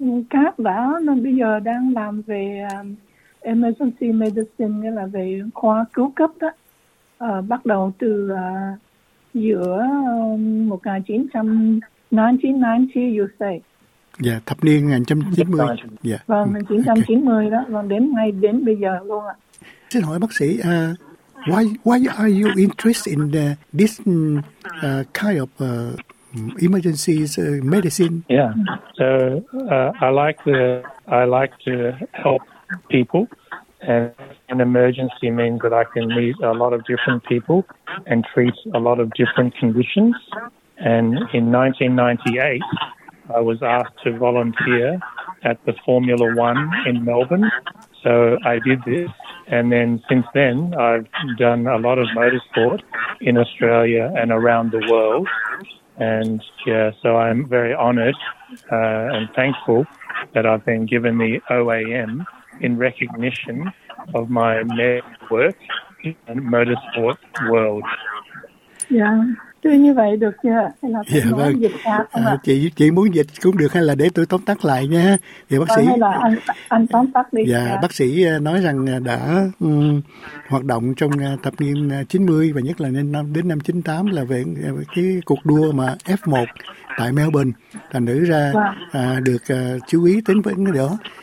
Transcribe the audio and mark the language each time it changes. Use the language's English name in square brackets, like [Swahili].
[Vietnamese] Các bạn bây giờ đang làm về emergency medicine, nghĩa là về khoa cứu cấp đó, bắt đầu từ giữa 1990, [English] you say. [Vietnamese] Dạ, yeah, thập niên 1990. Yeah. Vâng, 1990 okay. Đó, vâng, đến ngay đến bây giờ luôn ạ. Xin hỏi bác sĩ, [English] why are you interested in this kind of emergency medicine? Yeah, so I like to help people, and an emergency means that I can meet a lot of different people and treat a lot of different conditions. And in 1998, I was asked to volunteer at the Formula One in Melbourne, so I did this. And then since then, I've done a lot of motorsport in Australia and around the world. And yeah, so I'm very honored and thankful that I've been given the OAM in recognition of my work in the motorsport world. [Vietnamese] Yeah. Chưa như vậy được chưa? Hay là dạ, vâng. Dịch không chị muốn dịch cũng được hay là để tôi tóm tắt lại nha. Thì bác sĩ anh tóm tắt đi. Dạ, bác sĩ nói rằng đã hoạt động trong thập niên 90 và nhất là đến năm 98 là về cái cuộc đua mà F1 tại Melbourne, thành nữ ra được chú ý đến với cái đó.